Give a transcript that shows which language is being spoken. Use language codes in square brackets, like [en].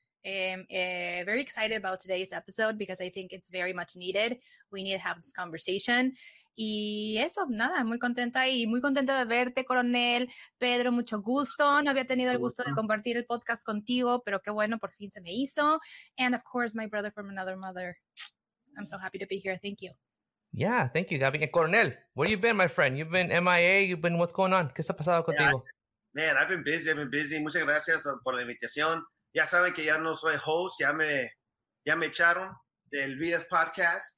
[en] Very excited about today's episode because I think it's very much needed. We need to have this conversation. [es] Y eso, nada, muy contenta y muy contenta de verte, Coronel. Pedro, mucho gusto. No había tenido el gusto de compartir el podcast contigo, pero qué bueno, por fin se me hizo. [en] And of course, my brother from another mother. I'm so happy to be here. Thank you. Yeah, thank you, Gabby. And Coronel, where you been, my friend? You've been MIA, you've been, what's going on? [es] ¿Qué está pasando contigo? [en] Man, I've been busy. [es] Muchas gracias por la invitación. Ya saben que ya no soy host, ya me echaron del Villa's Podcast.